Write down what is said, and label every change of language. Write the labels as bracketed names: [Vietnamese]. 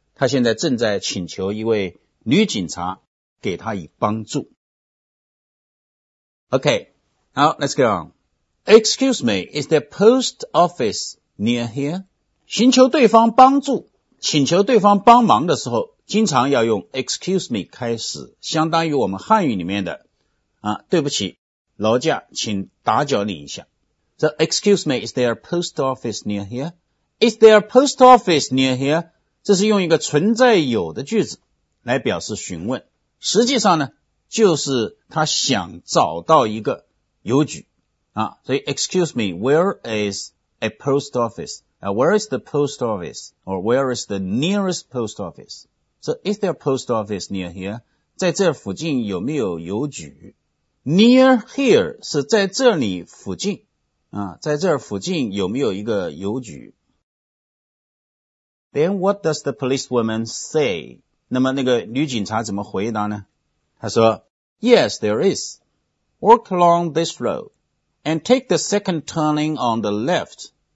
[Chinese] 他现在正在请求一位女警察给他以帮助。 [English] Okay, now let's go on. Excuse me, is there post office near here? [Chinese] 寻求对方帮助，请求对方帮忙的时候经常要用 excuse me 开始，相当于我们汉语里面的啊，对不起，劳驾，请打搅你一下。 [English] So excuse me, is there a post office near here? Is there a post office near here? [Chinese] 这是用一个存在有的句子来表示询问，实际上呢，就是他想找到一个邮局啊。 [English] 所以 excuse me, where is a post office? Where is the post office? Or where is the nearest post office? So, is there a post office near here? [Chinese] 在这附近有没有邮局？Near here 是在这里附近啊，在这附近有没有一个邮局？ [English] Then what does the policewoman say? [Chinese] 那么那个女警察怎么回答呢？ [English] 她说 Yes, there is. Walk along this road and take the second turning on the left.